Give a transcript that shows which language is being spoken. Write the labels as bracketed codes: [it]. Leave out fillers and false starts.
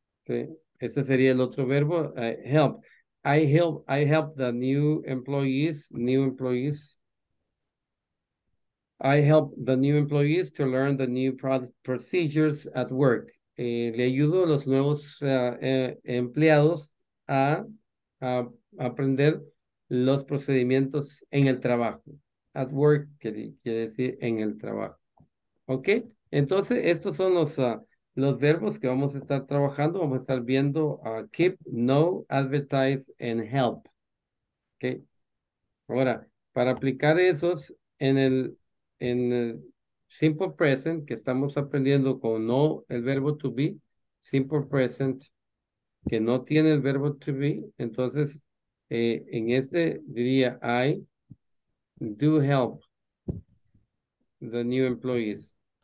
[en] Okay. [es] Ese sería el otro verbo, [en] help. I help the new employees. I help the new employees to learn the new procedures at work. [es] Le ayudo a los nuevos empleados a aprender los procedimientos en el trabajo. At work quiere decir en el trabajo. ¿Ok? Entonces, estos son los verbos que vamos a estar trabajando. Vamos a estar viendo [en] keep, know, advertise, and help. [es] ¿Ok? Ahora, para aplicar esos en el simple present que estamos aprendiendo con no el verbo to be, simple present que no tiene el verbo to be, entonces en este diría [en] I do help the new employees.